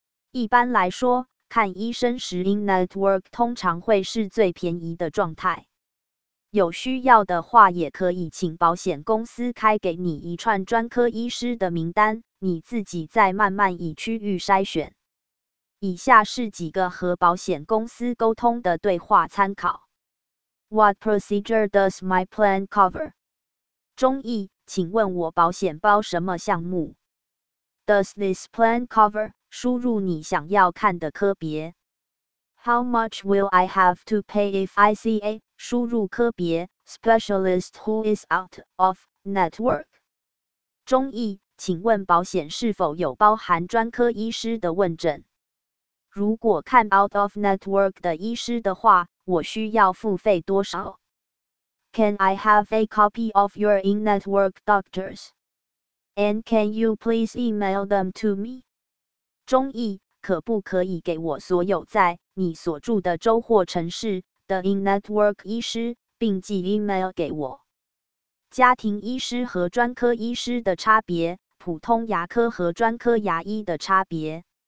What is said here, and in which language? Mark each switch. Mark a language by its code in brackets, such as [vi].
[zh] 一般来说，看医生时 in network 通常会是最便宜的状态。有需要的话，也可以请保险公司开给你一串专科医师的名单，你自己再慢慢以区域筛选。以下是几个和保险公司沟通的对话参考。 [en] What procedure does my plan cover? [zh] 中译，请问我保险包什么项目？ [en] Does this plan cover? [zh] 输入你想要看的科别。 [en] How much will I have to pay if I see a? [zh] 输入科别 [en] Specialist who is out of network? [zh] 中译，请问保险是否有包含专科医师的问诊？如果看 out of network 的医师的话，我需要付费多少？ [en] Can I have a copy of your in-network doctors? And can you please email them to me? [zh] 中译，可不可以给我所有在你所住的州或城市的 in-network 医师，并寄 email 给我？家庭医师和专科医师的差别，普通牙科和专科牙医的差别。